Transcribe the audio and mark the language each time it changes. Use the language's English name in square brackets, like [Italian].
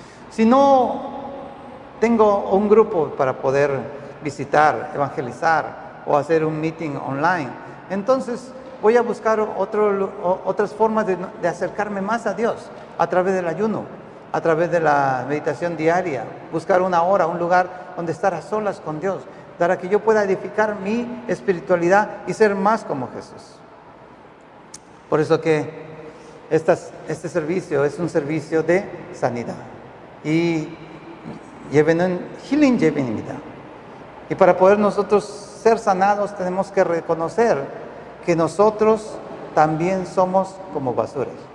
[Spanish] Si no tengo un grupo para poder visitar, evangelizar o hacer un meeting online, entonces voy a buscar otras formas de acercarme más a Dios a través del ayuno, a través de la meditación diaria, buscar una hora, un lugar donde estar a solas con Dios, para que yo pueda edificar mi espiritualidad y ser más como Jesús. Por eso que este servicio es un servicio de sanidad. [Korean] Y 예배는 힐링 예배입니다. [Spanish] Y para poder nosotros ser sanados tenemos que reconocer que nosotros también somos como basura.